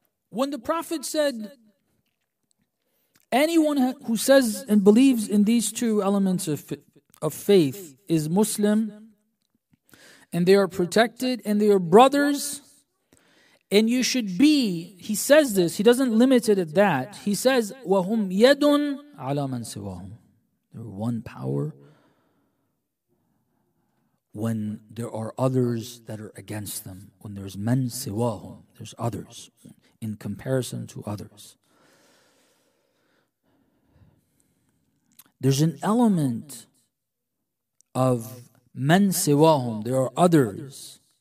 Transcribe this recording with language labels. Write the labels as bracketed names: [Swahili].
[English] When the Prophet said, anyone who says and believes in these two elements of faith is Muslim, and they are protected, and they are brothers, and you should be, he says this, he doesn't limit it at that. He says, [Arabic] وَهُمْ يَدٌ عَلَى مَنْ سِوَاهُمْ. [English] There are one power when there are others that are against them. When there's [Arabic] مَنْ سِوَاهُمْ, [English] there's others in comparison to others. There's an element of [Arabic] مَنْ سِوَاهُمْ, [English] there are others.